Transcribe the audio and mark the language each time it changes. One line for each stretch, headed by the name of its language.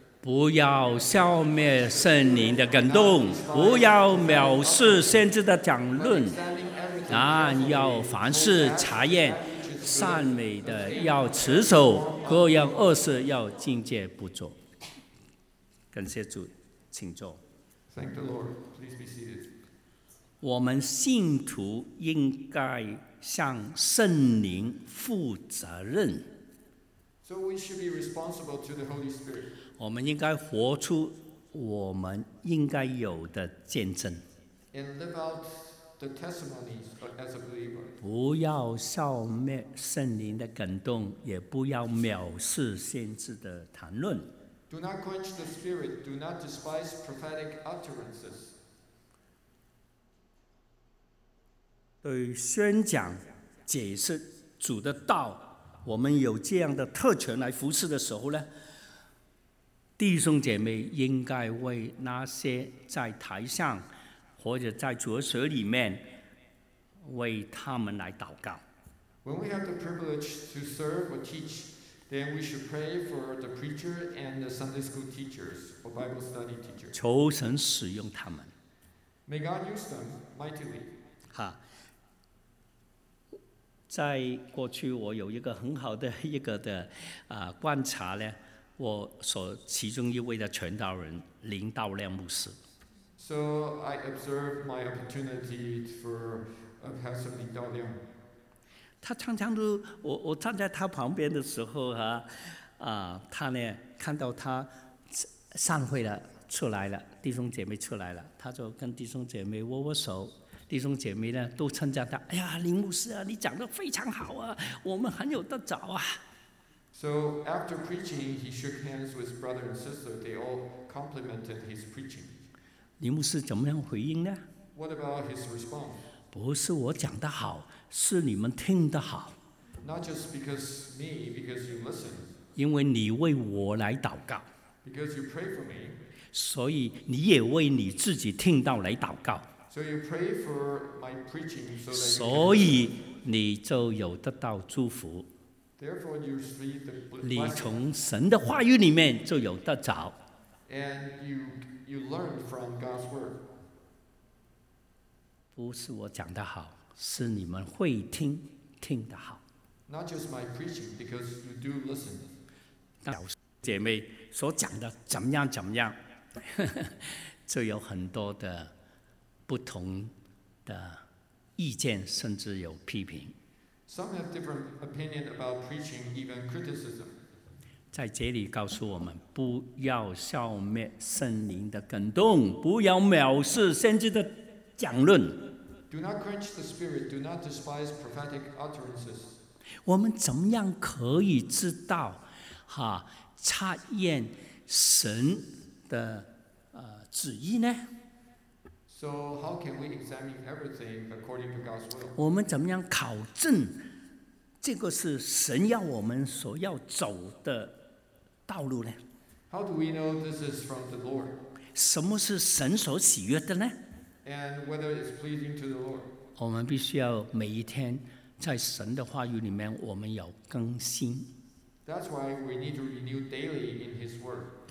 Chinese: 不要消灭圣灵的感动，不要藐视先知的讲论，但要凡事查验，善美的要持守，各样恶事要禁戒不做。感谢主，请坐。
English: Thank the Lord. Please be seated.
Chinese: 我们信徒应该向圣灵负责任。
English: So we should be responsible to the Holy Spirit.
Chinese: 我们应该活出我们应该有的见证。
English: And live out the testimonies as a believer.
Chinese: 不要消灭圣灵的感动，也不要藐视先知的谈论。
English: Do not quench the spirit. Do not despise prophetic utterances.
Chinese: 对宣讲、解释主的道。我们有这样的特权来服侍的时候呢，弟兄姐妹应该为那些在台上或者在主舍里面为他们来祷告。
English: When we have the privilege to serve or teach, then we should pray for the preacher and the Sunday school teachers or Bible study teachers.
Chinese: 求神使用他们。
English: May God use them mightily. 哈。
Chinese: 在过去我有一个很好的一个的、观察呢，我所其中一位的传道人林道亮牧师。
English: So I observed my opportunity for a pastor Lin Dao Liang.
Chinese: 他常常都 我站在他旁边的时候、他呢看到他散会了出来了，弟兄姐妹出来了，他就跟弟兄姐妹握握手，弟兄姐妹呢都称赞他，哎呀，林牧师啊，你讲得非常好啊，我们很有得着啊。
English: So after preaching, he shook hands with brother and sister. They all complimented his preaching.
Chinese: 林牧师怎么样回应呢？
English: What about his response?
Chinese: 不是我讲得好，是你们听得好。
English: Not just because me, because you listen.
Chinese: 因为你为我来祷告。
English: Because you pray for me.
Chinese: 所以你也为你自己听到来祷告。
English: So you pray for my preaching, so that.
Chinese: 所以你就有得到祝福。
English: Therefore, you receive the blessing.
Chinese: 你从神的话语里面就有得着。
English: And you learn from God's word.
Chinese: 不是我讲的好，是你们会听，听得好。
English: Not just my preaching, because you do listen.
Chinese: 姐妹所讲的怎么样怎么样，就有很多的。不同的意见，甚至有批评。
English: Some have different opinion about preaching, even criticism.
Chinese: 在这里告诉我们，不要消灭圣灵的感动，不要藐视先知的讲论。
English: Do not quench the spirit. Do not despise prophetic utterances.
Chinese: 我们怎么样可以知道，查验神的旨意呢？
English: So how can we examine everything according to God's will?
Chinese: 我们怎么样考证这个是神要我们所要走的道路呢？
English: How do we know this is from the Lord?
Chinese: 什么是神所喜悦的呢？
English: And whether it's pleasing to the Lord?
Chinese: 我们必须要每一天在神的话语里面我们要更新。
English: That's why we need to renew daily in His word.